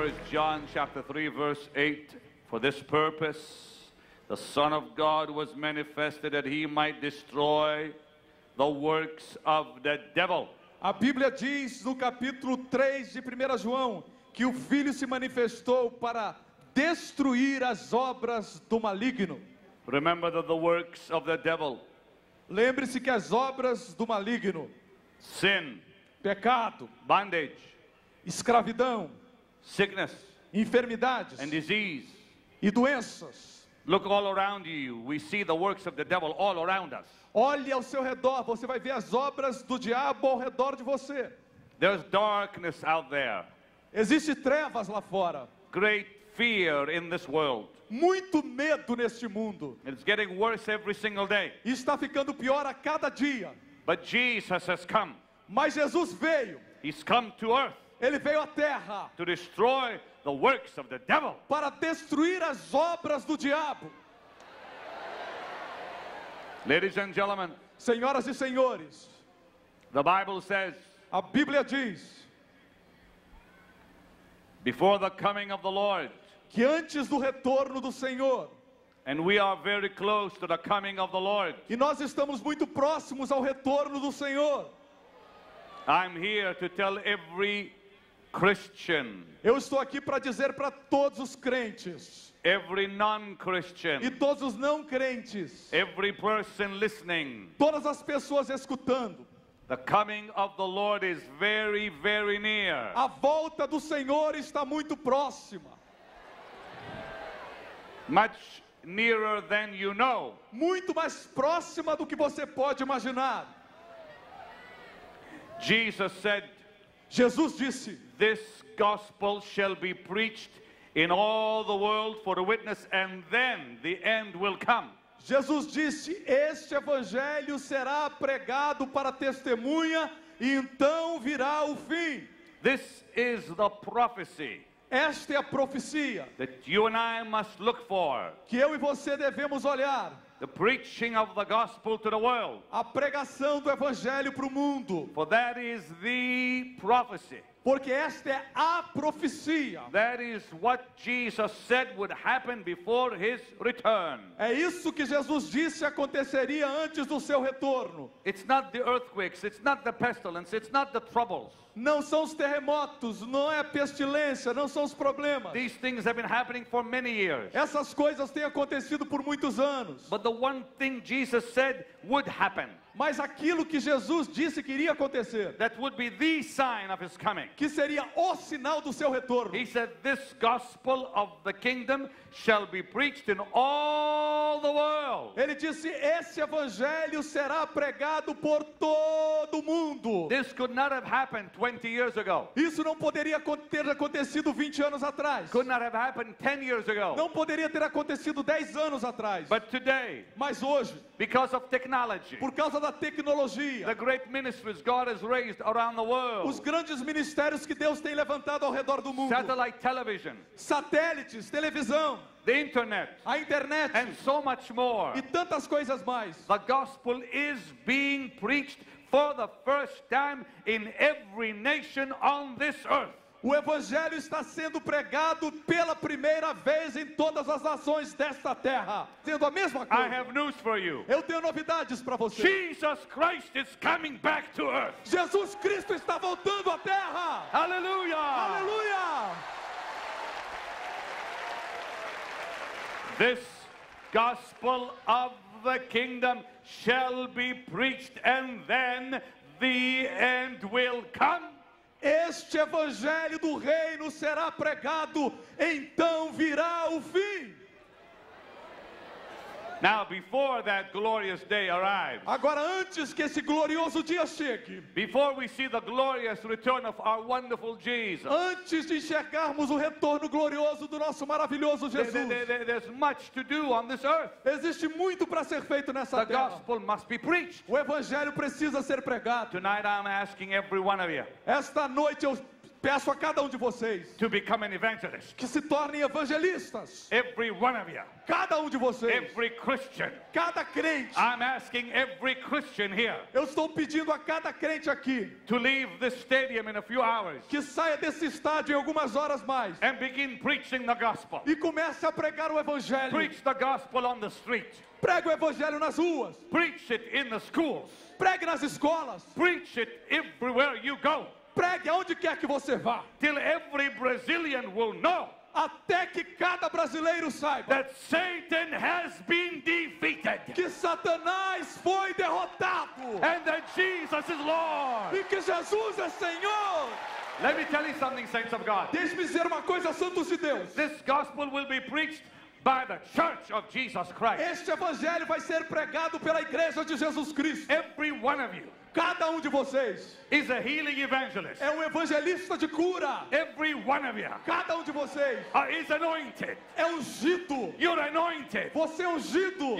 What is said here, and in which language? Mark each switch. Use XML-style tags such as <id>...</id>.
<en>John chapter 3 verse 8, for this purpose the Son of God was manifested, that he might destroy the works of the devil.</en> <pt>A Bíblia diz no capítulo 3 de 1 João que o Filho se manifestou para destruir as obras do maligno.</pt> <en>Remember that the works of the devil.</en> <pt>Lembre-se que as obras do maligno.</pt> <en>Sin.</en> <pt>Pecado.</pt> <en>Bondage.</en> <pt>Escravidão.</pt> <en>Sickness,</en> <pt>enfermidades,</pt> <en>and disease,</en> <pt>e doenças.</pt> <en>Look all around you. We see the works of the devil all around us.</en> <pt>Olhe ao seu redor, você vai ver as obras do diabo ao redor de você.</pt> <en>There's darkness out there.</en> <pt>Existe trevas lá fora.</pt> <en>Great fear in this world.</en> <pt>Muito medo neste mundo.</pt> <en>It's getting worse every single day.</en> <pt>E está ficando pior a cada dia.</pt> <en>But Jesus has come.</en> <pt>Mas Jesus veio.</pt> <en>He's come to earth.</en> <pt>Ele veio à terra</pt> <en>to destroy the works of the devil.</en> <pt>Para destruir as obras do diabo.</pt> <en>Ladies and gentlemen,</en> <pt>senhoras e senhores,</pt> <en>the Bible says,</en> <pt>a Bíblia diz,</pt> <en>before the coming of the Lord,</en> <pt>que antes do retorno do Senhor,</pt> <en>and we are very close to the coming of the Lord,</en> <pt>e nós estamos muito próximos ao retorno do Senhor,</pt> <en>I'm here to tell every Christian.</en> <pt>Eu estou aqui para dizer para todos os crentes.</pt> <en>Every non-Christian.</en> <pt>E todos os não crentes.</pt> <en>Every person listening.</en> <pt>Todas as pessoas escutando.</pt> <en>The coming of the Lord is very, very near.</en> <pt>A volta do Senhor está muito próxima.</pt> <en>Much nearer than you know.</en> <pt>Muito mais próxima do que você pode imaginar.</pt> <en>Jesus said.</en> <pt>Jesus disse:</pt> <en>this gospel shall be preached in all the world for a witness, and then the end will come.</en> <pt>Jesus disse: este evangelho será pregado para testemunha, e então virá o fim.</pt> <en>This is the prophecy.</en> <pt>Esta é a profecia</pt> <en>that you and I must look for.</en> <pt>Que eu e você devemos olhar.</pt> <en>The preaching of the gospel to the world.</en> <pt>A pregação do evangelho para o mundo.</pt> <en>For that is the prophecy.</en> <pt>Porque esta é a profecia.</pt> <en>That is what Jesus said would happen before his return.</en> <pt>É isso que Jesus disse aconteceria antes do seu retorno.</pt> <en>It's not the earthquakes, it's not the pestilence, it's not the troubles.</en> <pt>Não são os terremotos, não é a pestilência, não são os problemas.</pt> <en>These things have been happening for many years.</en> <pt>Essas coisas têm acontecido por muitos anos.</pt> <en>But the one thing Jesus said would happen.</en> <pt>Mas aquilo que Jesus disse que iria acontecer,</pt> <en>that would be the sign of his coming.</en> <pt>Que seria o sinal do seu retorno.</pt> <en>He said, "This gospel of the kingdom shall be preached in all the world."</en> <pt>Ele disse, "Esse evangelho será pregado por todo mundo."</pt> <en>This could not have happened 20 years ago.</en> <pt>Isso não poderia ter acontecido 20 anos atrás.</pt> <en>Could not have happened 10 years ago.</en> <pt>Não poderia ter acontecido 10 anos atrás.</pt> <en>But today,</en> <pt>mas hoje,</pt> <en>because of technology,</en> <pt>por causa da tecnologia,</pt> <en>the great ministries God has raised around the world,</en> <pt>os grandes ministérios que Deus tem levantado ao redor do mundo,</pt> <en>satellite television,</en> <pt>satélites, televisão,</pt> <en>the internet,</en> <pt>a internet,</pt> <en>and so much more,</en> <pt>e tantas coisas mais.</pt> <en>The gospel is being preached for the first time in every nation on this earth.</en> <pt>O evangelho está sendo pregado pela primeira vez em todas as nações desta terra. Sendo a mesma coisa.</pt> <en>I have news for you.</en> <pt>Eu tenho novidades para você.</pt> <en>Jesus Christ is coming back to earth.</en> <pt>Jesus Cristo está voltando à terra. Aleluia! Aleluia!</pt> <en>This gospel of the kingdom shall be preached and then the end will come.</en> <pt>Este evangelho do reino será pregado, então virá o fim.</pt> <en>Now, before that glorious day arrives,</en> <pt>agora antes que esse glorioso dia chegue,</pt> <en>before we see the glorious return of our wonderful Jesus,</en> <pt>antes de enxergarmos o retorno glorioso do nosso maravilhoso Jesus,</pt> <en>there's much to do on this earth.</en> <pt>Existe muito para ser feito nessa</pt> <en>the</en> <pt>terra.</pt> <en>Gospel must be preached.</en> <pt>O evangelho precisa ser pregado.</pt> <en>Tonight I'm asking every one of you,</en> <pt>esta noite eu peço a cada um de vocês,</pt> <en>to become an evangelist,</en> <pt>que se tornem evangelistas.</pt> <en>Every one of you,</en> <pt>cada um de vocês.</pt> <en>Every Christian,</en> <pt>cada crente.</pt> <en>I'm asking every Christian here,</en> <pt>eu estou pedindo a cada crente aqui,</pt> <en>to leave this stadium in a few hours,</en> <pt>que saia desse estádio em algumas horas mais,</pt> <en>and begin preaching the gospel,</en> <pt>e comece a pregar o evangelho.</pt> <en>Preach the gospel on the street,</en> <pt>pregue o evangelho nas ruas.</pt> <en>Preach it in the schools,</en> <pt>pregue nas escolas.</pt> <en>Preach it everywhere you go.</en> <pt>Pregue aonde quer que você vá.</pt> <en>Till every Brazilian will know,</en> <pt>até que cada brasileiro saiba,</pt> <en>that Satan has been defeated,</en> <pt>que Satanás foi derrotado,</pt> <en>and that Jesus is Lord,</en> <pt>e que Jesus é Senhor.</pt> <en>Let me tell you something, saints of God.</en> <pt>Deixe-me dizer uma coisa, santos de Deus.</pt> <en>This gospel will be preached by the Church of Jesus Christ.</en> <pt>Este evangelho vai ser pregado pela Igreja de Jesus Cristo.</pt> <en>Every one of you,</en> <pt>cada um de vocês,</pt> <en>is a healing evangelist.</en> <pt>É um evangelista de cura.</pt> <en>Every one of you,</en> <pt>cada um de vocês,</pt> <en>is anointed.</en> <pt>É ungido.</pt> <en>You're anointed.</en> <pt>Você é ungido.</pt>